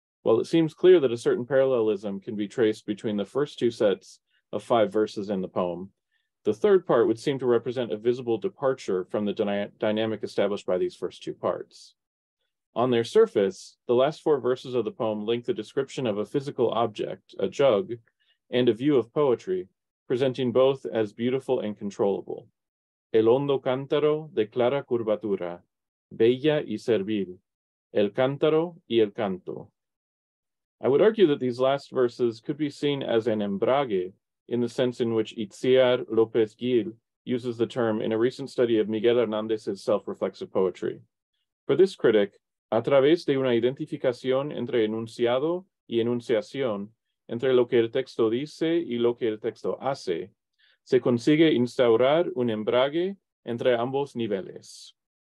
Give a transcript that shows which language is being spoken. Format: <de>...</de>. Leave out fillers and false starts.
<en>While it seems clear that a certain parallelism can be traced between the first two sets of 5 verses in the poem, the third part would seem to represent a visible departure from the dynamic established by these first two parts. On their surface, the last four verses of the poem link the description of a physical object, a jug, and a view of poetry, presenting both as beautiful and controllable.</en> <es>El hondo cántaro de clara curvatura, bella y servil, el cántaro y el canto.</es> <en>I would argue that these last verses could be seen as an embrague in the sense in which Itziar López Gil uses the term in a recent study of Miguel Hernández's self-reflexive poetry. For this critic,</en> <es>a través de una identificación entre enunciado y enunciación, entre lo que el texto dice y lo que el texto hace, se consigue instaurar un embrague entre ambos niveles.</es>